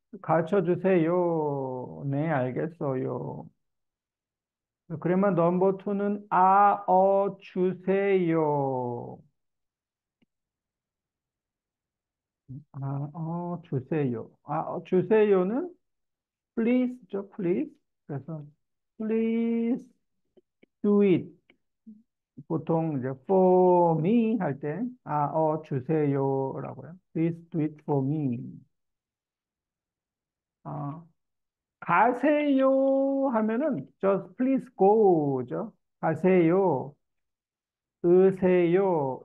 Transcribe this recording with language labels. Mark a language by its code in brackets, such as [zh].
[ko] 가르쳐 주세요. 네, 알겠어요. 그래만 넘버 투는 주세요. 주세요. 주세요는 please죠, please. 그래서 [en] please do it. [ko] 보통 이제 [en] for me [ko] 할때 주세요라고요. [en] Please do it for me. [ko] 가세요 하면은 [en] just please go죠. [ko] 가세요. 으세요.